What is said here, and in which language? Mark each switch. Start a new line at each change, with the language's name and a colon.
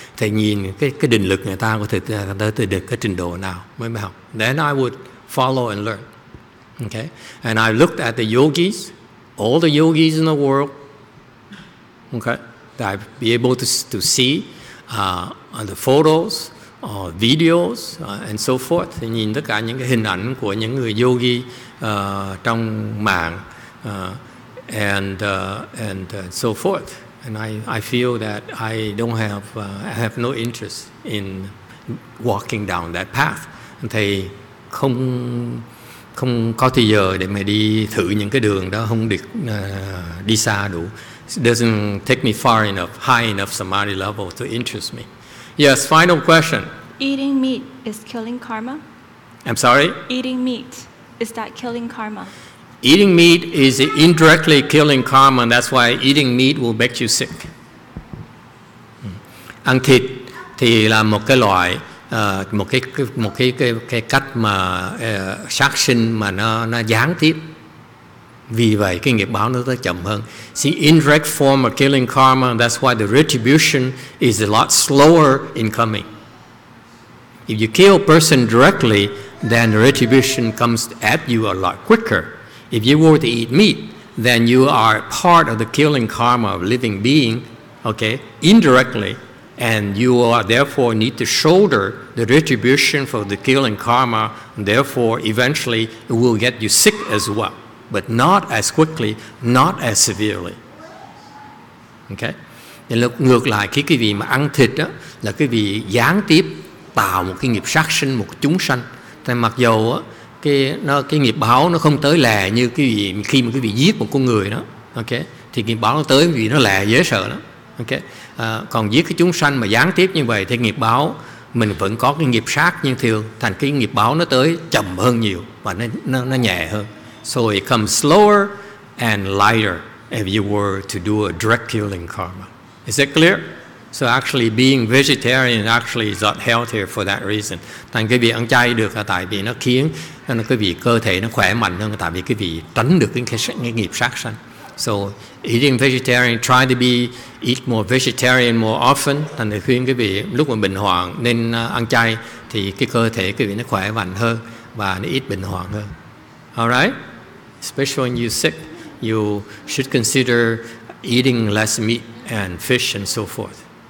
Vietnamese: Thầy nhìn cái định lực người ta có thể tới được cái trình độ nào mới học.
English: Then I would follow and learn. Okay? And I looked at the yogis, all the yogis in the world. Okay, that I'd be able to see the photos, videos, and so forth.
Vietnamese: Thì nhìn tất cả những cái hình ảnh của những người yogi trong mạng
English: and so forth. And I feel that I don't have I have no interest in walking down that path.
Vietnamese: Thầy không có thời giờ để mà đi thử những cái đường đó, không được đi xa đủ.
English: It doesn't take me far enough, high enough samadhi level to interest me. Yes, final question. Eating meat is killing karma? I'm sorry? Eating meat, is that killing karma? Eating meat is indirectly killing karma, and that's why eating meat will make you sick.
Vietnamese: Ăn thịt thì là một cái loại, một cái cách mà sát sinh mà nó gián tiếp. Vì vậy cái nghiệp báo nó tới chậm hơn.
English: See, indirect form of killing karma, that's why the retribution is a lot slower in coming. If you kill a person directly, then the retribution comes at you a lot quicker. If you were to eat meat, then you are part of the killing karma of living being, okay, indirectly, and you are therefore need to shoulder the retribution for the killing karma, and therefore eventually it will get you sick as well. But not as quickly, not as severely. Okay?
Vietnamese: Ngược lại, khi quý vị mà ăn thịt đó, là quý vị gián tiếp tạo một cái nghiệp sát sinh, một chúng sanh. Thì mặc dù đó, cái nghiệp báo nó không tới lè như quý vị, khi mà quý vị giết một con người đó. Okay? Thì nghiệp báo nó tới vì nó lè dễ sợ đó. Okay? Còn giết cái chúng sanh mà gián tiếp như vậy thì nghiệp báo mình vẫn có cái nghiệp sát như thường. Thành cái nghiệp báo nó tới chậm hơn nhiều và nó nhẹ hơn.
English: So it comes slower and lighter if you were to do a direct killing karma. Is that clear? So actually being vegetarian actually is not healthier for that reason.
Vietnamese: Thành cái việc ăn chay được là tại vì nó khiến cái việc cơ thể nó khỏe mạnh hơn, tại vì cái việc tránh được cái nghiệp sát sanh.
English: So eating vegetarian, try to be eat more vegetarian more often.
Vietnamese: Thành thì khuyên cái việc lúc mà bệnh hoạn nên ăn chay thì cái cơ thể cái việc nó khỏe mạnh hơn và nó ít bệnh hoạn hơn.
English: All right? Especially when you're sick, you should consider eating less meat and fish and so forth.